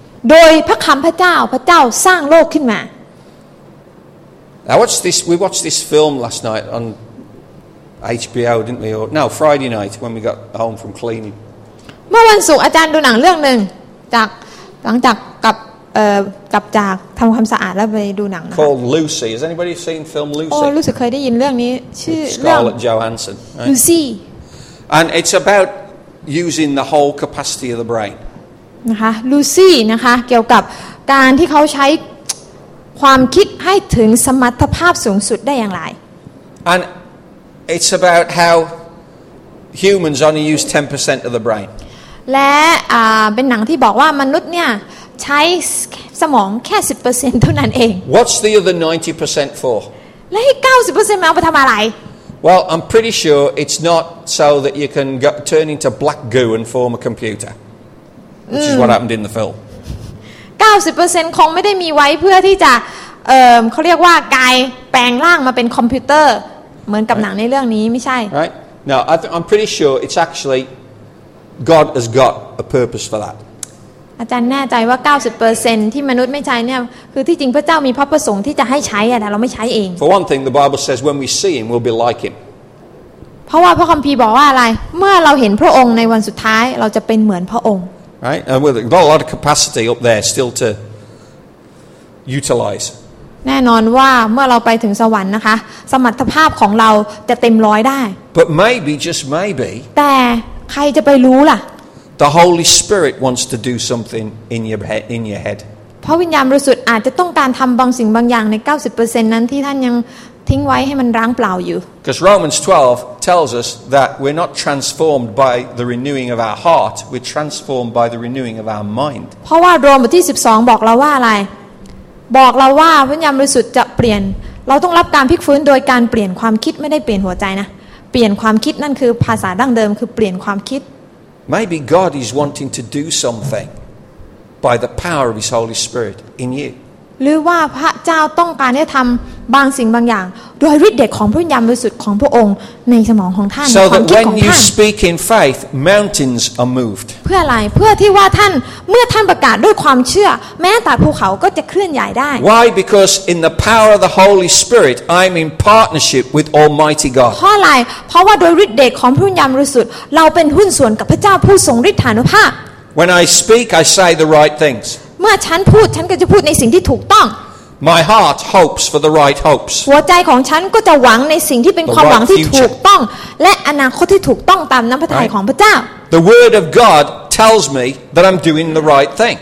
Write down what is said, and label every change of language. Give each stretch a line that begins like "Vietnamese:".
Thai: โดยพระคำพระเจ้าพระเจ้าสร้างโลกขึ้นมา
English: I watched this. We watched this film last night on HBO, didn't we? Or no, Friday night when we got home from cleaning.
Thai: เมื่อวันศุกร์อาจารย์ดูหนังเรื่องนึงจากหลังจากกลับจากทำความสะอาดแล้วไปดูหนังนะคะ
English: Called Lucy Has anybody seen film Lucy
Thai: Oh Lucy เคยได้ยินเรื่องนี้ชื่อเรื่อ ง
English: Scarlett Johansson Lucy And it's about using the whole capacity of the brain
Thai: นะคะ Lucy นะคะเกี่ยวกับการที่เขาใช้ความคิดให้ถึงสมรรถภาพสูงสุดได้อย่างไร
English: And it's about how humans only use 10% of the brain
Thai: และเป็นหนังที่บอกว่ามนุษย์เนี่ยใช้สมองแค่ 10% เท่านั้นเอง
English: What's the other 90% for?
Thai: แล้วให้ 90% มาเอาไปทำอะไร
English: Well, I'm pretty sure it's not so that you can turn into black goo and form a computer. Which is what happened in the film.
Thai: 90% คงไม่ได้มีไว้เพื่อที่จะเขาเรียกว่ากายแปลงร่างมาเป็นคอมพิวเตอร์เหมือนกับหนังในเรื่องนี้ไม่ใช่
English: Right? No, I'm pretty sure it's actuallyGod has got a purpose for that.
Thai: อาจารย์แน่ใจว่า 90% ที่มนุษย์ไม่ใช้เนี่ยคือที่จริงพระเจ้ามีพระประสงค์ที่จะให้ใช้อ่ะแต่เราไม่ใช้เอง
English: For one thing the Bible says when we see him we'll be like him.
Thai: เพราะว่าพระคัมภีร์บอกว่าอะไรเมื่อเราเห็นพระองค์ในวันสุดท้ายเราจะเป็นเหมือนพระองค์
English: Right? And we've got a lot of capacity up there still to utilize.
Thai: แน่นอนว่าเมื่อเราไปถึงสวรรค์นะคะสมรรถภาพของเราจะเต็มร้อยได้
English: But maybe just maybe.
Thai: แต่ใครจะไปรู้ล่ะ
English: The Holy Spirit wants to do something in your head
Thai: พระวิญญาณบริสุทธิ์อาจจะต้องการทำบางสิ่งบางอย่างใน 90% นั้นที่ท่านยังทิ้งไว้ให้มันร้างเปล่าอยู่
English: Because Romans 12 tells us that we're not transformed by the renewing of our heart we're transformed by the renewing of our mind
Thai: เพราะว่าโรมบทที่12บอกเราว่าอะไรบอกเราว่าวิญญาณบริสุทธิ์จะเปลี่ยนเราต้องรับการพลิกฟื้นโดยการเปลี่ยนความคิดไม่ได้เปลี่ยนหัวใจนะเปลี่ยนความคิดนั่นคือภาษาดั้งเดิมคือเปลี่ยนความคิด
English: Maybe God is wanting to do something by the power of His Holy Spirit in you
Thai: หรือว่าพระเจ้าต้องการให้ทำบางสิ่งบางอย่างโดยฤทธิ์เดชของพระวิญญาณบริสุทธิ์ของพระองค์ในสมองของท่านความคิดของท่าน
English: So when you speak in faith mountains are moved
Thai: เพื่ออะไรเพื่อที่ว่าท่านเมื่อท่านประกาศด้วยความเชื่อแม้แต่ภูเขาก็จะเคลื่อนย้ายได้
English: Why because in the power of the Holy Spirit I'm in partnership with Almighty God
Thai: เพราะอะไรเพราะว่าโดยฤทธิ์เดชของพระวิญญาณบริสุทธิ์เราเป็นหุ้นส่วนกับพระเจ้าผู้ทรงฤทธานุภาพ
English: When I speak I say the right things
Thai: เมื่อฉันพูดฉันก็จะพูดในสิ่งที่ถูกต้อง
English: My heart hopes for the right hopes
Thai: หัวใจของฉันก็จะหวังในสิ่งที่เป็นความหวังที่ถูกต้องและอนาคตที่ถูกต้องตามน้ำพระทัยของพระเจ้า
English: The word of God tells me that I'm doing the right thing